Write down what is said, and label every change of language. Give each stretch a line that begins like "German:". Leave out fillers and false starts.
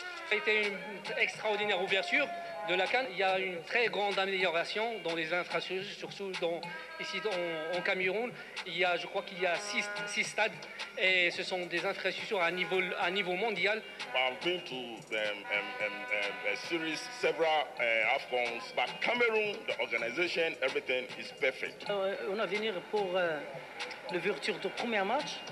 French: C'était une extraordinaire ouverture de la CAN. Il y a une très grande amélioration dans les infrastructures, surtout dans, ici en Cameroun. Il y a, je crois qu'il y a 6 stades et ce sont des infrastructures à niveau mondial.
English: I've been to a series, several Afghans, but Cameroon, the organization, everything is perfect.
French: On a venu pour l'ouverture du premier match.